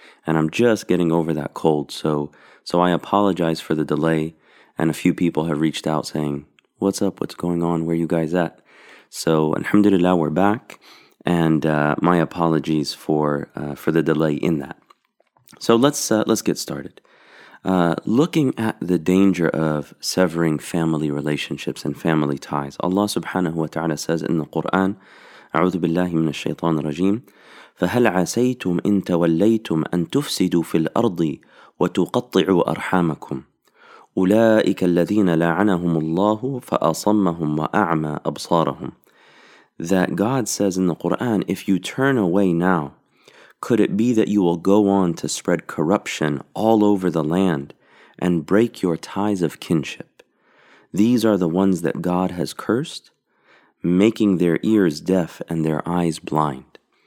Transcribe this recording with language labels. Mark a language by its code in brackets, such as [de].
[en] And I'm just getting over that cold. So I apologize for the delay. And a few people have reached out saying, what's up? What's going on? Where are you guys at? So alhamdulillah, we're back. And my apologies for the delay in that. So let's get started. Looking at the danger of severing family relationships and family ties, Allah subhanahu wa ta'ala says in the Quran, [ar] أعوذ بالله من الشيطان الرجيم فهل عسيتم إن توليتم أن تفسدوا في الأرض وتقطعوا أرحامكم أولئك الذين لعنهم الله فأصمهم وأعمى أبصارهم. [en] That God says in the Quran, if you turn away now, could it be that you will go on to spread corruption all over the land and break your ties of kinship? These are the ones that God has cursed, making their ears deaf and their eyes blind.